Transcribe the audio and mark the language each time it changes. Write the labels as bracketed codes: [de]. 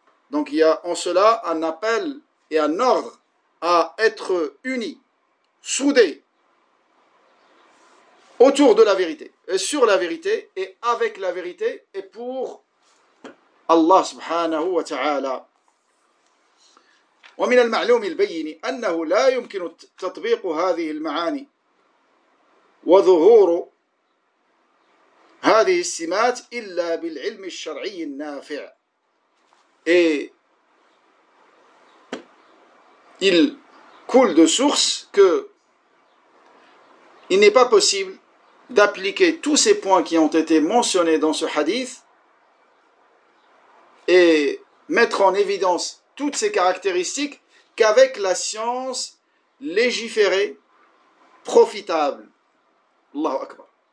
[fr] Donc il y a en cela un appel et un ordre à être unis, soudés, autour de la vérité, sur la vérité et avec la vérité et pour Allah subhanahu wa ta'ala. [ar] ومن المعلوم البين أنه لا يمكن تطبيق هذه المعاني وظهور هذه السمات إلا بالعلم الشرعي النافع. [fr] Et il coule de source que il n'est pas possible d'appliquer tous ces points qui ont été mentionnés dans ce hadith et mettre en évidence toutes ces caractéristiques qu'avec la science légiférée profitable. Allahu Akbar.